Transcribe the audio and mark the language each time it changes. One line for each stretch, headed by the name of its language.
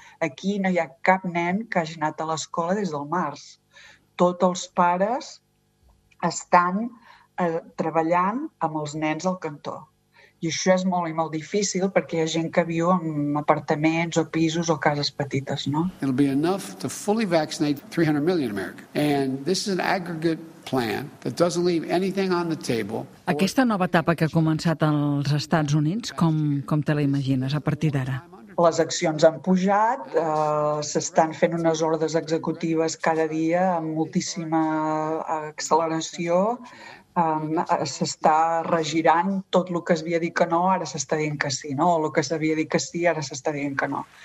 Catalan: Aquí no hi ha cap nen que hagi anat a l'escola des del març. Tots els pares estan treballant amb els nens al cantó. I això és molt i molt difícil perquè hi ha gent que viu en apartaments o pisos o cases petites, no?
English: It'll be enough to fully vaccinate 300 million Americans. And this is an aggregate plan that doesn't leave anything on the table.
Catalan: Aquesta nova etapa que ha començat als Estats Units, com te la imagines a partir d'ara? Les accions han pujat, s'estan fent unes ordres executives cada dia amb moltíssima acceleració, s'està regirant tot el que es havia dit que no, ara s'està dient que sí, no? O el que s'havia dit que sí, ara s'està dient que no.